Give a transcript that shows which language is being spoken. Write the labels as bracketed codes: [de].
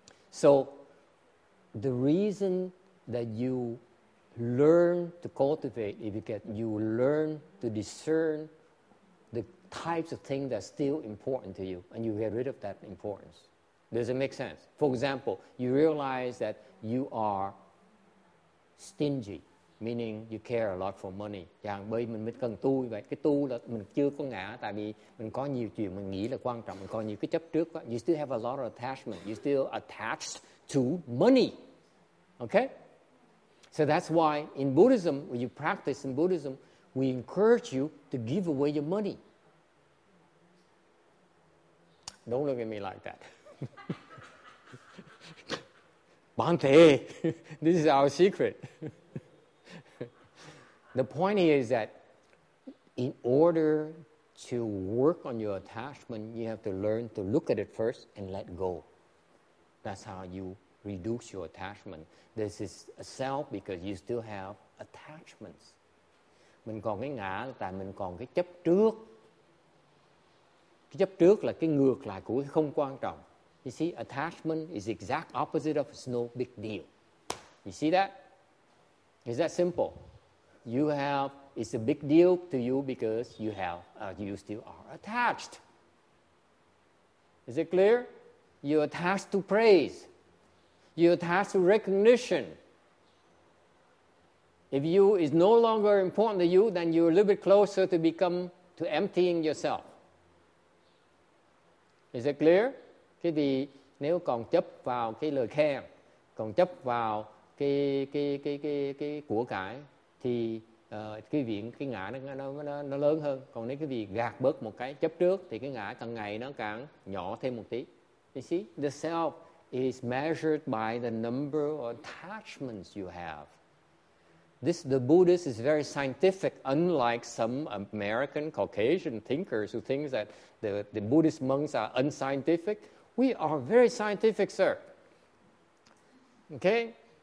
[en] So the reason that you learn to cultivate, you learn to discern the types of things that are still important to you, and you get rid of that importance. Does it make sense? For example, you realize that you are stingy, meaning you care a lot for money. [vi] Chẳng bởi mình mới cần tu như vậy. Cái tu là mình chưa có ngã, tại vì mình có nhiều chuyện mình nghĩ là quan trọng, mình có nhiều cái chấp trước. [en] You still have a lot of attachment. You still attached to money. Okay? So that's why in Buddhism, when you practice in Buddhism, we encourage you to give away your money. Don't look at me like that. Bante, this is our secret. The point is that in order to work on your attachment, you have to learn to look at it first and let go. That's how you reduce your attachment. This is a self because you still have attachments. [vi] Mình còn cái ngã là tại mình còn cái chấp trước. Cái chấp trước là cái ngược lại của cái không quan trọng. [en] You see, attachment is the exact opposite of it's no big deal. You see that? Is that simple? You have, it's a big deal to you because you have, you still are attached. Is it clear? You're attached to praise. You're attached to recognition. If you is no longer important to you, then you're a little bit closer to become, to emptying yourself. Is it clear? [vi] Cái gì nếu còn chấp vào cái lời khen, còn chấp vào cái của cải, thì cái viện, cái ngã nó lớn hơn. Còn nếu cái gì gạt bớt một cái chấp trước, thì cái ngã càng ngày nó càng nhỏ thêm một tí. [en] You see, the self is measured by the number of attachments you have. This, the Buddhist is very scientific, unlike some American Caucasian thinkers who think that the Buddhist monks are unscientific. We are very scientific, sir. Okay?